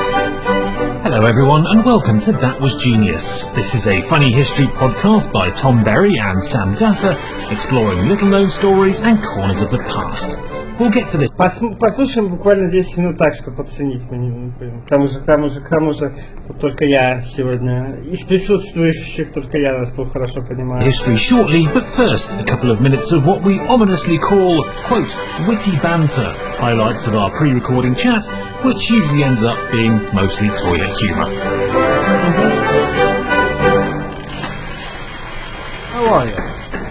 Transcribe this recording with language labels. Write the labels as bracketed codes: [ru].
[en] Hello everyone and welcome to That Was Genius. This is a funny history podcast by Tom Berry and Sam Datta, exploring little known stories and corners of the past. We'll get to this. [ru] Послушаем буквально 10 минут так, чтобы подценить. К тому же, только я сегодня, из присутствующих, только я нас тут хорошо понимаю. [en] History shortly, but first, a couple of minutes of what we ominously call, quote, witty banter, highlights of our pre-recording chat, which usually ends up being mostly toilet humor. How are you?